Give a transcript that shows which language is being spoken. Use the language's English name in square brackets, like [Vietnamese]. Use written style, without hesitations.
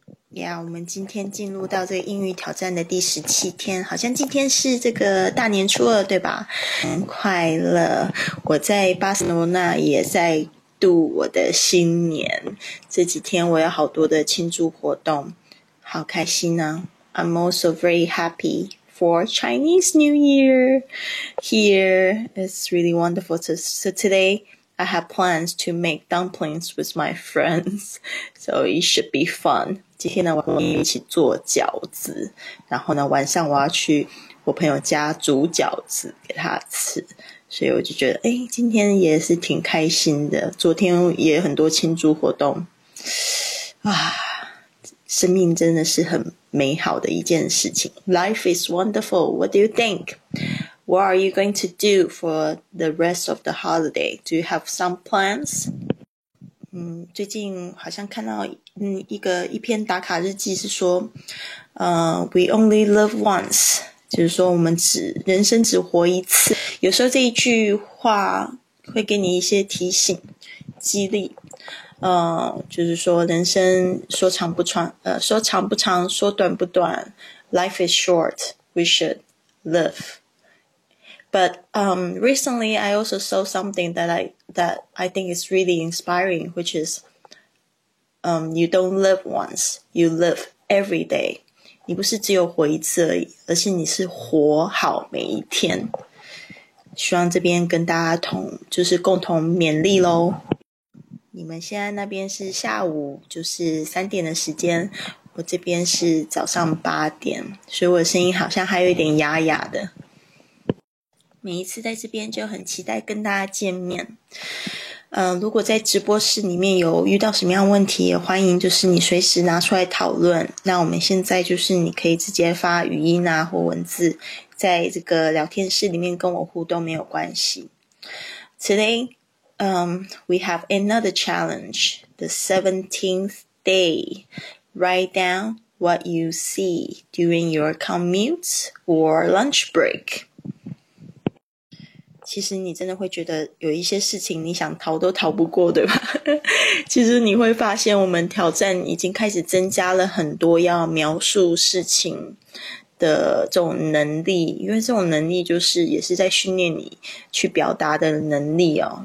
[Chinese] 呀，我们今天进入到这个英语挑战的第17天，好像今天是这个大年初二，对吧？快乐，我在巴塞罗那也在度我的新年，这几天我有好多的庆祝活动。好开心呢、啊、！ [English] I'm also very happy for Chinese New Year here. It's really wonderful. So today I have plans to make dumplings with my friends. So it should be fun. [Chinese] 今天呢，我们一起做饺子，然后呢，晚上我要去我朋友家煮饺子给他吃。所以我就觉得，哎，今天也是挺开心的。昨天也有很多庆祝活动，啊。生命真的是很美好的一件事情。 [English] Life is wonderful. What do you think? What are you going to do for the rest of the holiday? Do you have some plans? [Chinese] 最近好像看到一篇打卡日记是说， [English] we only live once， [Chinese] 就是说我们人生只活一次。有时候这一句话会给你一些提醒、激励。就是说，人生说长不长，说长不长，说短不短。 [English] Life is short, we should live. But recently, I also saw something that I think is really inspiring, which is, you don't live once, you live every day. [Chinese] 你不是只有活一次而已，而是你是活好每一天。希望这边跟大家共同勉励喽。你们现在那边是下午，就是3点的时间，我这边是早上8点，所以我的声音好像还有一点哑哑的。每一次在这边就很期待跟大家见面。如果在直播室里面有遇到什么样问题，也欢迎就是你随时拿出来讨论。那我们现在就是你可以直接发语音啊或文字，在这个聊天室里面跟我互动没有关系。 [English] Today。 We have another challenge, the 17th day. Write down what you see during your commute or lunch break. [Chinese] 其实你真的会觉得有一些事情你想逃都逃不过，对吧？其实你会发现，我们挑战已经开始增加了很多要描述事情的这种能力，因为这种能力就是也是在训练你去表达的能力哦。